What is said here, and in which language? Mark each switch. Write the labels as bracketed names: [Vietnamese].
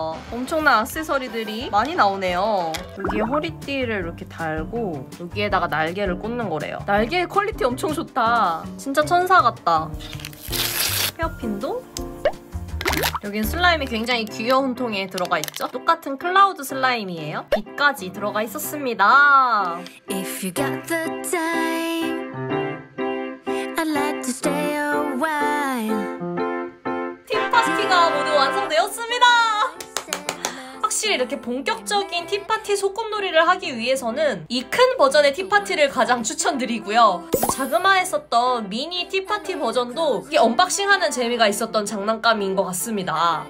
[Korean] 엄청난 액세서리들이 많이 나오네요. 여기에 허리띠를 이렇게 달고 여기에다가 날개를 꽂는 거래요. 날개의 퀄리티 엄청 좋다. 진짜 천사 같다. 헤어핀도? 여긴 슬라임이 굉장히 귀여운 통에 들어가 있죠? 똑같은 클라우드 슬라임이에요. 빛까지 들어가 있었습니다. [English] If you got the time, I'd like to stay a while. [Korean] 티파티가 모두 완성되었습니다! 확실히 이렇게 본격적인 티파티 소꿉놀이를 하기 위해서는 이 큰 버전의 티파티를 가장 추천드리고요. 자그마했었던 미니 티파티 버전도 이게 언박싱하는 재미가 있었던 장난감인 것 같습니다.